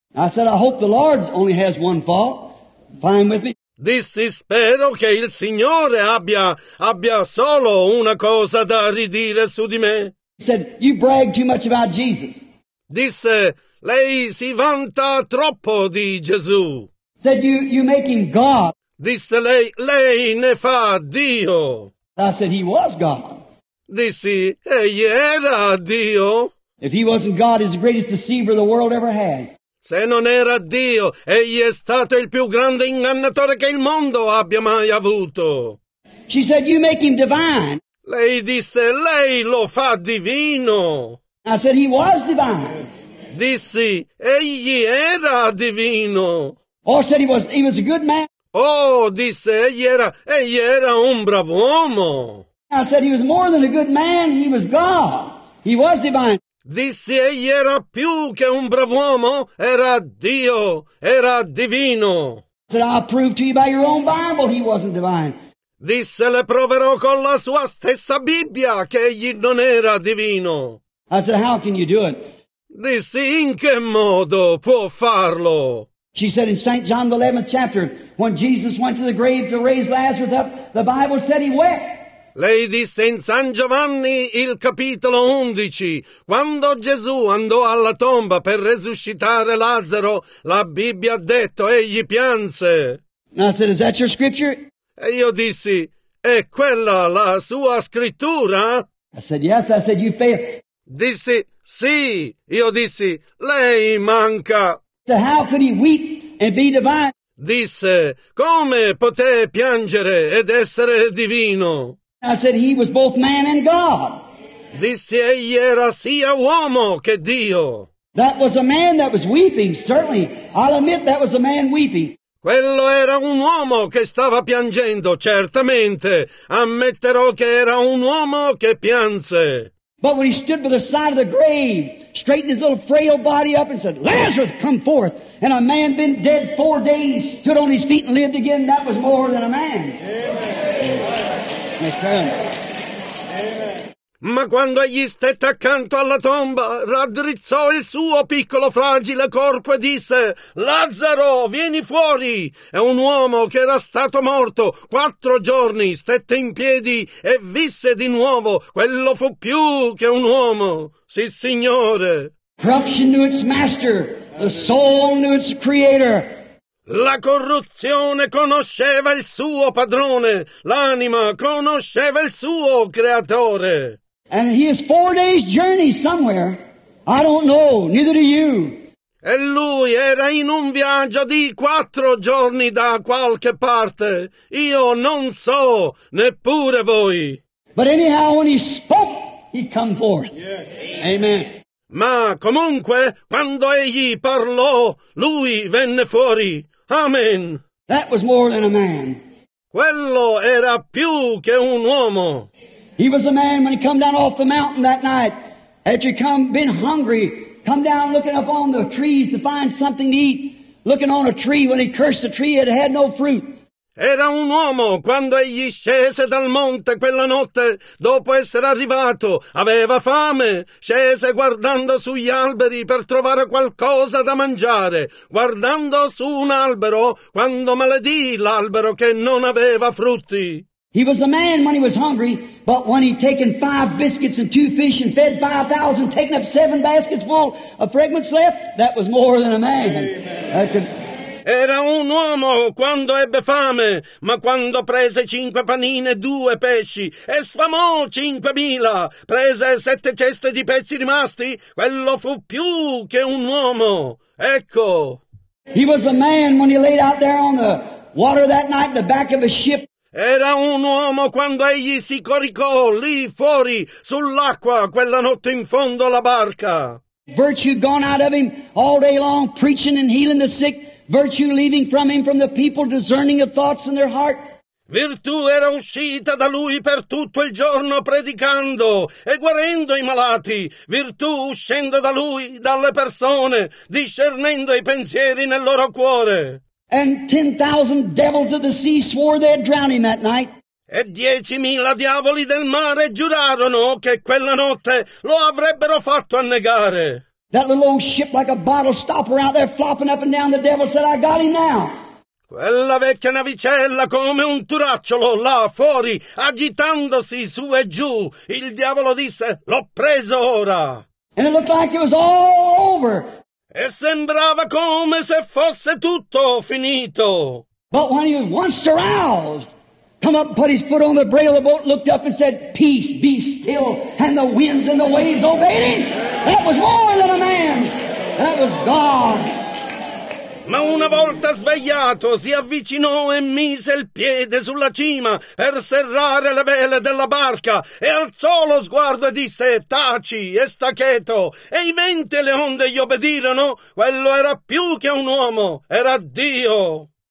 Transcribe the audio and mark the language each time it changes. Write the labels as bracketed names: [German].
[English] I said, I hope the Lord only has one fault. Fine with me. [Italian] Dissi, spero che il Signore abbia solo una cosa da ridire su di me. [English] Said, you brag too much about Jesus. [Italian] Disse, lei si vanta troppo di Gesù. [English] Said, you make him God. [Italian] Disse lei, lei ne fa Dio. [English] I said, he was God. [Italian] Dissi, egli era Dio. [English] If he wasn't God, he's the greatest deceiver the world ever had. [Italian] Se non era Dio, egli è stato il più grande ingannatore che il mondo abbia mai avuto. [English] She said, you make him divine. [Italian] Lei disse, lei lo fa divino. [English] I said, he was divine. [Italian] Dissi, egli era divino. [English] Oh, said he was a good man. [Italian] Oh, disse, egli era un bravo uomo. [English] I said, he was more than a good man, he was God. He was divine. [Italian] Dissi, egli era più che un brav'uomo, era Dio, era divino. [English] Said, I'll prove to you by your own Bible he wasn't divine. [Italian] Disse, le proverò con la sua stessa Bibbia che egli non era divino. [English] I said, how can you do it? [Italian] Dissi, in che modo può farlo? [English] She said, in St. John the 11th chapter, when Jesus went to the grave to raise Lazarus up, the Bible said he wept. [Italian] Lei disse in San Giovanni il capitolo 11, quando Gesù andò alla tomba per resuscitare Lazzaro, la Bibbia ha detto, egli pianse. [English] And I said, is that your scripture? [Italian] E io dissi, è quella la sua scrittura? [English] I said, yes, I said, you fail. [Italian] Dissi, sì, io dissi, lei manca. [English] So how could he weep and be divine? [Italian] Disse, come poté piangere ed essere divino? [English] I said, he was both man and God. [Italian] Disse, egli era sia uomo che Dio. [English] That was a man that was weeping, certainly. I'll admit that was a man weeping. [Italian] Quello era un uomo che stava piangendo, certamente. Ammetterò che era un uomo che pianse. [English] But when he stood by the side of the grave, straightened his little frail body up and said, Lazarus, come forth. And a man been dead 4 days, stood on his feet and lived again. That was more than a man. Amen. Yes, sir. Amen. [Italian] Ma quando egli stette accanto alla tomba, raddrizzò il suo piccolo fragile corpo e disse, Lazzaro, vieni fuori! E un uomo che era stato morto 4 giorni stette in piedi e visse di nuovo. Quello fu più che un uomo. Sì, Signore! [English] Corruption knew its master, the soul knew its creator. [Italian] La corruzione conosceva il suo padrone, l'anima conosceva il suo creatore. [English] And he is 4 days journey somewhere. I don't know, neither do you. [Italian] E lui era in un viaggio di 4 giorni da qualche parte. Io non so, neppure voi. [English] But anyhow, when he spoke, he come forth. Yeah. Amen. Amen. [Italian] Ma comunque, quando egli parlò, lui venne fuori. [English] Amen. That was more than a man. [Italian] Quello era più che un uomo. [English] He was a man when he come down off the mountain that night. Had you come, been hungry, come down looking up on the trees to find something to eat, looking on a tree when he cursed the tree, it had no fruit. [Italian] Era un uomo quando egli scese dal monte quella notte, dopo essere arrivato, aveva fame, scese guardando sugli alberi per trovare qualcosa da mangiare, guardando su un albero, quando maledì l'albero che non aveva frutti. [English] He was a man when he was hungry, but when he'd taken 5 biscuits and 2 fish and fed 5,000, taken up 7 baskets full of fragments left, that was more than a man. [Italian] Era un uomo quando ebbe fame, ma quando prese 5 panine e 2 pesci e sfamò 5,000, prese 7 ceste di pezzi rimasti, quello fu più che un uomo. Ecco. [English] He was a man when he laid out there on the water that night in the back of a ship. [Italian] Era un uomo quando egli si coricò lì fuori sull'acqua quella notte in fondo alla barca. [English] Virtue gone out of him all day long, preaching and healing the sick. Virtue leaving from him, from the people, discerning of thoughts in their heart. [Italian] Virtù era uscita da lui per tutto il giorno predicando e guarendo i malati. Virtù uscendo da lui, dalle persone, discernendo i pensieri nel loro cuore. [English] And 10,000 devils of the sea swore they'd drown him that night. [Italian] E 10,000 diavoli del mare giurarono che quella notte lo avrebbero fatto annegare. [English] That little old ship like a bottle stopper out there flopping up and down, the devil said, I got him now. [Italian] Quella vecchia navicella come un turacciolo là fuori, agitandosi su e giù, il diavolo disse, l'ho preso ora. [English] And it looked like it was all over. [Italian] E sembrava come se fosse tutto finito. [English] But when he was once aroused, come up and put his foot on the rail of the boat, looked up and said, peace, be still, and the winds and the waves obeyed him. That was more than a man. That was God. [Italian] Ma una volta svegliato, si avvicinò e mise il piede sulla cima per serrare le vele della barca e alzò lo sguardo e disse, taci e sta cheto. E i venti e le onde gli obbedirono. Quello era più che un uomo, era Dio.